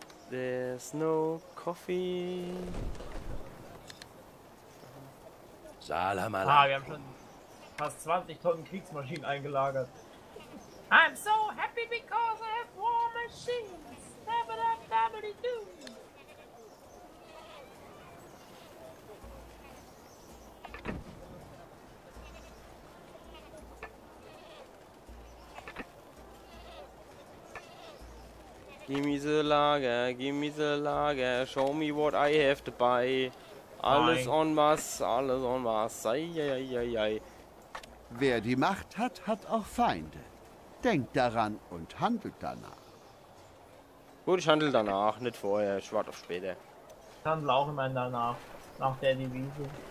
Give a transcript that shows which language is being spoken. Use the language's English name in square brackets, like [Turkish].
[English] There's no coffee. [Arabic] Salam aleikum. [German] Ah, wir haben schon fast 20 Tonnen Kriegsmaschinen eingelagert. [English] I'm so happy because I have war machines. Da-ba-da-ba-ba-di-do. Gimme the Lager, gimme the Lager, show me what I have to buy. Alles Nein. On was, alles on was, ei. [German] Wer die Macht hat, hat auch Feinde. Denkt daran und handelt danach. Gut, ich handel danach, nicht vorher, ich warte auf später. Ich handel auch immer danach, nach der Devise.